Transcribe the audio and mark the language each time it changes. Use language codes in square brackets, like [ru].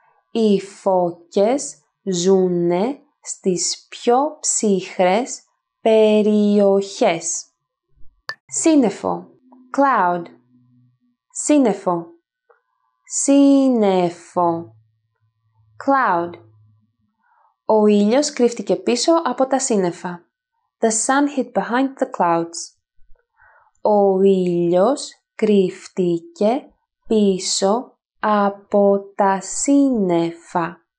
[el] Οι φώκες ζουν στις πιο ψυχρές περιοχές. Σύννεφο. [en] Cloud. [el] Σύννεφο. Σύννεφο. [en] Cloud. [el] Ο ήλιος κρύφτηκε πίσω από τα σύννεφα. [en] The sun hid behind the clouds. [el] Ο ήλιος κρύφτηκε πίσω από τα σύννεφα.